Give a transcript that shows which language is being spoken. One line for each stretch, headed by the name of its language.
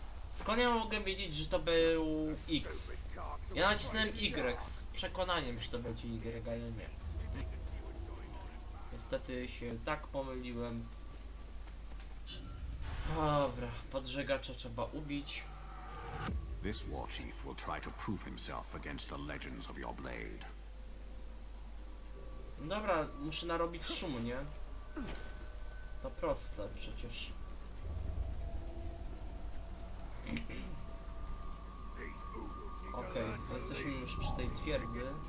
Polish: Skąd ja mogę wiedzieć, że to był X? Ja nacisnąłem Y z przekonaniem, że to będzie Y, a ja nie. Niestety się tak pomyliłem. Dobra, podżegacza trzeba ubić.
English: This war chief will try to prove himself against the legends of your blade.
Polish: Dobra, muszę narobić szumu, nie? To proste przecież. Okej, okay, to jesteśmy już przy tej twierdzy.